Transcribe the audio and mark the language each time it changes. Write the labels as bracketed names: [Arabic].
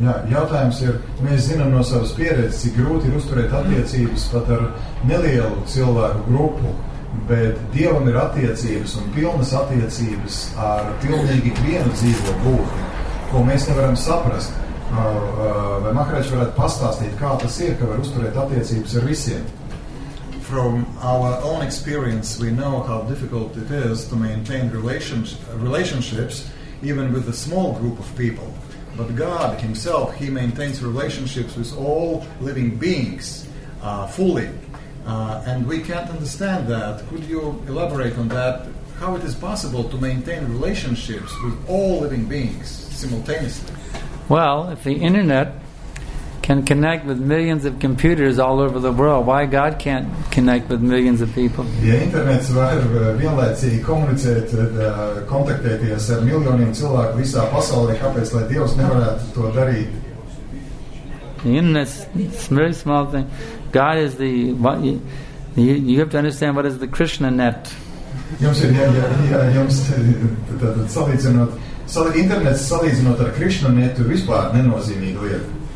[Latvian] Jautājums ir, mēs zinām no savas pieredzes, cik grūti ir uzturēt attiecības pat ar nelielu cilvēku grupu, bet Dievam ir attiecības un pilnas attiecības ar pilnīgi vienu dzīvo būtni, ko mēs nevaram saprast. Vai Makarēč varētu pastāstīt, kā tas ir, ka var uzturēt attiecības ar visiem? [English] From our own experience, we know how difficult it is to maintain relationships even with a small group of people. But God himself, he maintains relationships with all living beings fully. And we can't understand that. Could you elaborate on that? How it is possible to maintain relationships with all living beings simultaneously? Well, if the internet can connect with millions of computers all over the world, why God can't connect with millions of people? [Latvian] Ja internets var vienlaicīgi komunicēt, kontaktēties ar miljoniem cilvēku visā pasaulē, kāpēc lai Dievs nevarētu to darīt? [English] The internet is a very small thing. God is the... You have to understand what is the Krishna net. [Latvian] Jums ir jums salīdzinot... Internets salīdzinot ar Krishna netu vispār nenozīmīgi liet.